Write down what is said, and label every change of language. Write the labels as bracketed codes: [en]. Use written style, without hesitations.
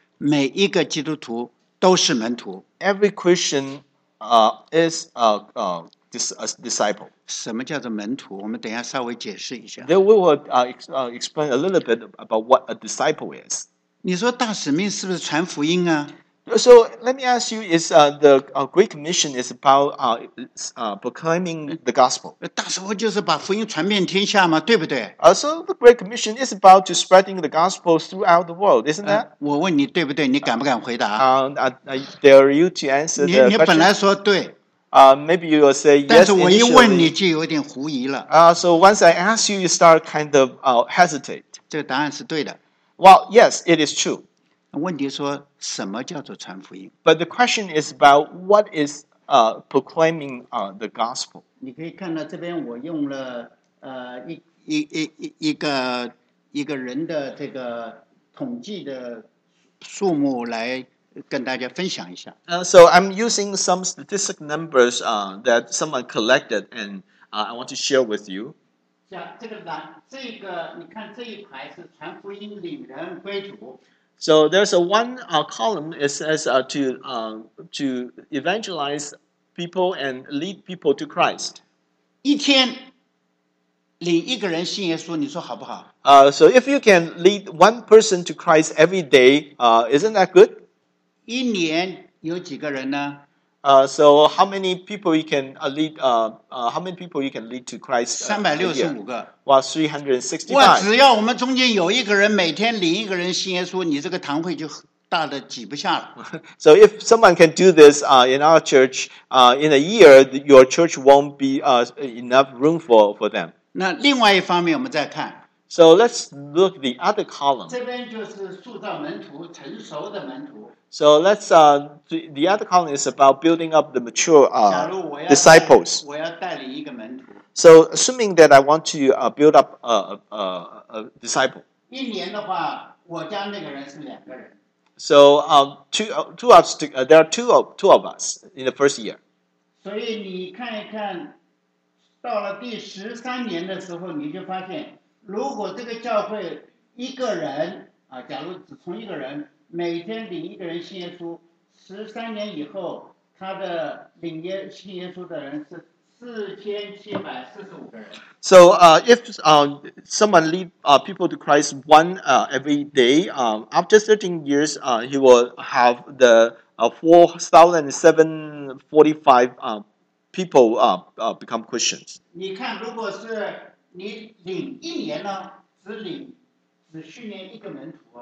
[zh] 每一个基督徒都是门徒。 [en] Every Christian is a disciple. [zh] 什么叫做门徒？我们等一下稍微解释一下。 [en] Then we will explain a little bit about what a disciple is. [zh] 你说大使命是不是传福音啊？ [en] So let me ask you: Is the Great Commission is about proclaiming the gospel? [zh] 大使命就是把福音传遍天下嘛，对不对？ [en] So the Great Commission is about to spreading the gospel throughout the world, isn't that? [zh] 我问你对不对？你敢不敢回答？ [en] Dare you to answer the question? [zh] 你本来说对。 [en] Maybe you will say yes. [zh] 但是我一问你就有点狐疑了。 [en] So once I ask you, you start kind of hesitate. [zh] 这个答案是对的。 [en] Well, yes, it is true. [zh] 问题说什么叫做传福音？ [en] But the question is about what is proclaiming the gospel. [zh] 你可以看到这边我用了一个人的这个统计的数目来。跟大家分享一下。 [en] So I'm using some statistic numbers that someone collected, and I want to share with you. [zh] 这个你看这一排是传福音领人归主。 [en] So there's a one column. It says to evangelize people and lead people to Christ. [zh] 一天领一个人信耶稣，你说好不好？ [en] So if you can lead one person to Christ every day, isn't that good? [zh] 一年有几个人呢？ [en] So how many people you can lead? How many people you can lead to Christ? [zh] 365个。 [en] Well, 365。 [zh] 哇，只要我们中间有一个人每天领一个人信耶稣，你这个堂会就大的挤不下了。 [en] So if someone can do this, in our church, in a year, your church won't be enough room for them. [zh] 那另外一方面，我们再看。 [en] So let's look the other column. [zh] 这边就是塑造门徒，成熟的门徒。 [en] So let's the other column is about building up the mature disciples. [zh] 我要带领一个门徒。 [en] So assuming that I want to build up a disciple. [zh] 一年的话，我家那个人是两个人。 [en] So there are two of us in the first year. [zh] 所以你看一看，到了第十三年的时候，你就发现，如果这个教会一个人啊，假如只从一个人。每天领一个人信耶稣，十三年以后，他的领耶信耶稣的人是4745个人。 [en] So, if someone lead people to Christ one every day, after 13 years, he will have the 4745 people become Christians. [zh] 你看，如果是你领一年呢，只训练一个门徒。